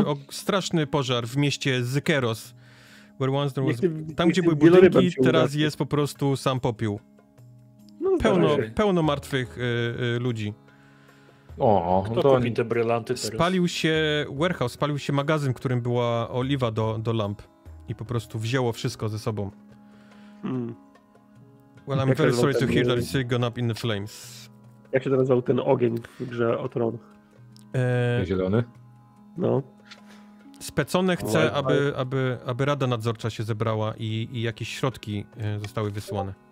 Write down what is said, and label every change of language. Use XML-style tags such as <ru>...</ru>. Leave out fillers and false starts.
<pl>Straszny pożar w mieście Zykeros. Tam gdzie były budynki, teraz jest po prostu sam popiół. No, pełno martwych ludzi. O, kto to kupi te brylanty teraz? Spalił się warehouse, spalił się magazyn, w którym była oliwa do lamp i po prostu wzięło wszystko ze sobą.</pl> <en>Well, I'm very sorry to hear that it's gone up in the flames.</en> <pl>Jak się to nazywał ten ogień w grze o tron? Zielony? No. Specone chce, aby rada nadzorcza się zebrała i jakieś środki zostały wysłane.</pl>